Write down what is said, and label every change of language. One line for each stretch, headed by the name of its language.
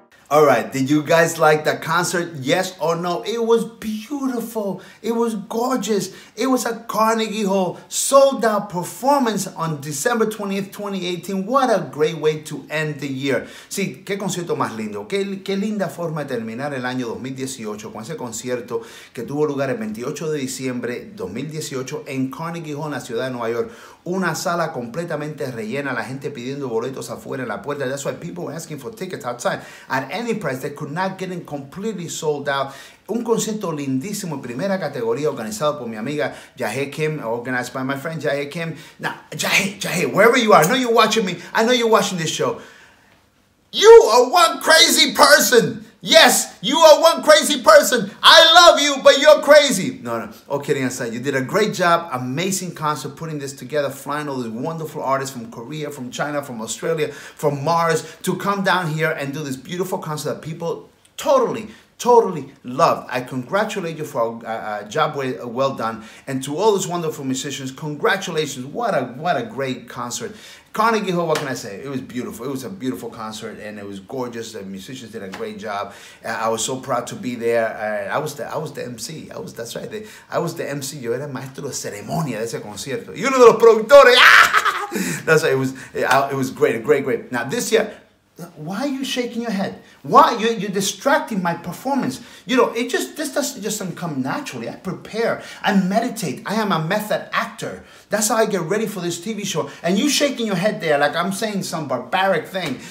English: All right, did you guys like the concert, yes or no? It was beautiful, it was gorgeous. It was a Carnegie Hall sold out performance on December 20th, 2018. What a great way to end the year.
Spanish: Sí, qué concierto más lindo. Qué linda forma de terminar el año 2018 con ese concierto que tuvo lugar el 28 de diciembre 2018 en Carnegie Hall, en la ciudad de Nueva York. Una sala completamente rellena, la gente pidiendo boletos afuera en la puerta.
English: That's why people were asking for tickets outside. At any price, they could not get in completely sold out.
Spanish: Un concierto lindísimo, primera categoría, organizado por mi amiga Jahe Kim,
English: organized by my friend Jahe Kim. Now, Jahe, wherever you are, I know you're watching me. I know you're watching this show. You are one crazy person. Yes, you are one crazy person. I love you, but you're crazy. No. All kidding aside, you did a great job. Amazing concert putting this together, flying all these wonderful artists from Korea, from China, from Australia, from Mars to come down here and do this beautiful concert that people totally, totally love. I congratulate you for a job well done. And to all those wonderful musicians, congratulations. What a great concert. Carnegie Hall, what can I say? It was beautiful. It was a beautiful concert, and it was gorgeous. The musicians did a great job. I was so proud to be there. I was the MC. I was the MC.
Spanish: Yo era maestro de ceremonia de ese concierto. Y uno de los productores.
English: That's why it was great. Great. Now, this year, why are you shaking your head? Why? You're distracting my performance. You know, this doesn't come naturally. I prepare. I meditate. I am a method actor. That's how I get ready for this TV show. And you shaking your head there like I'm saying some barbaric thing.